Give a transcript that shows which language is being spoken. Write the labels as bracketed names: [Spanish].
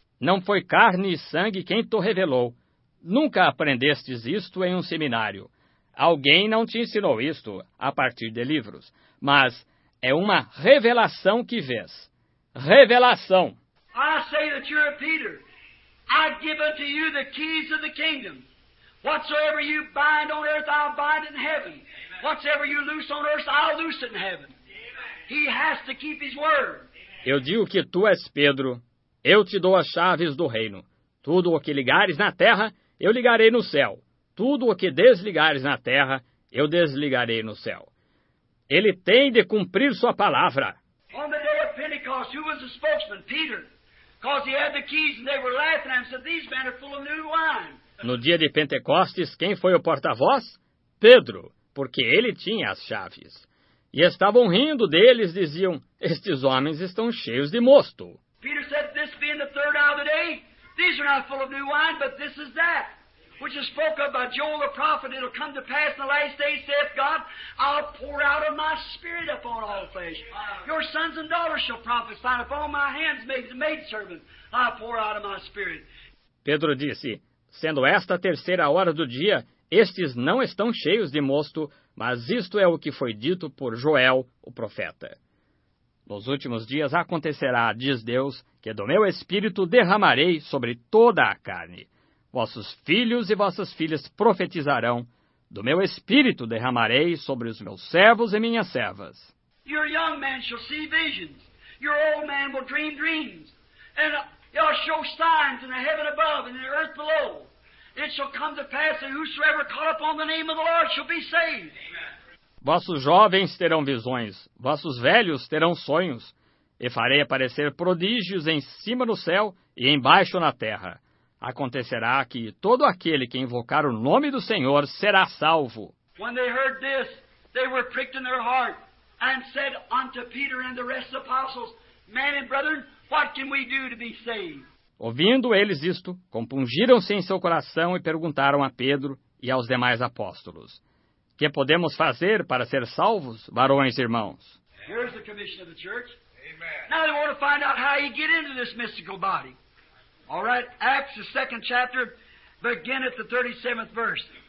[Portuguese] Não foi carne e sangue quem te revelou. Nunca aprendestes isto em um seminário. Alguém não te ensinou isto a partir de livros, mas é uma revelação que vês. Revelação. [English] I say that you're a Peter. I give unto you the keys of the kingdom. Whatsoever you bind on earth, I'll bind in heaven. Amen. Whatsoever you loose on earth, I'll loose it in heaven. Amen. He has to keep his word. [Portuguese] Eu digo que tu és Pedro. Eu te dou as chaves do reino. Tudo o que ligares na terra, eu ligarei no céu. Tudo o que desligares na terra, eu desligarei no céu. Ele tem de cumprir sua palavra. [English] On the day of Pentecost, who was the spokesman? Peter. Because he had the keys and they were laughing at him. Said, these men are full of new wine. [Portuguese] No dia de Pentecostes, quem foi o porta-voz? Pedro, porque ele tinha as chaves. E estavam rindo deles, diziam, estes homens estão cheios de mosto. [English] Peter said, this being the third hour of the day, these are not full of new wine, but this is that, which is spoken of by Joel the prophet, it'll come to pass in the last day, saith God, I'll pour out of my spirit upon all flesh. Your sons and daughters shall prophesy, and upon my hands made the maidservant, I'll pour out of my spirit. [Portuguese] Pedro disse, sendo esta a terceira hora do dia, estes não estão cheios de mosto, mas isto é o que foi dito por Joel, o profeta. Nos últimos dias acontecerá, diz Deus, que do meu espírito derramarei sobre toda a carne. Vossos filhos e vossas filhas profetizarão, do meu espírito derramarei sobre os meus servos e minhas servas. [English] Your young man shall see visions, your old man will dream dreams, and y'all show signs in the heaven above and in the earth below. It shall come to pass that whosoever call upon the name of the Lord shall be saved. Amen. [Portuguese] Vossos jovens terão visões, vossos velhos terão sonhos, e farei aparecer prodígios em cima no céu e embaixo na terra. Acontecerá que todo aquele que invocar o nome do Senhor será salvo. [English] When they heard this, they were pricked in their heart and said unto Peter and the rest of the apostles, men and brethren, what can we do to be saved? [Portuguese] Ouvindo eles isto, compungiram-se em seu coração e perguntaram a Pedro e aos demais apóstolos, que podemos fazer para ser salvos, varões e irmãos? [English] Here's the commission of the church. Amen. Now they want to find out how you get into this mystical body. All right, Acts, the second chapter, begin at the 37th verse.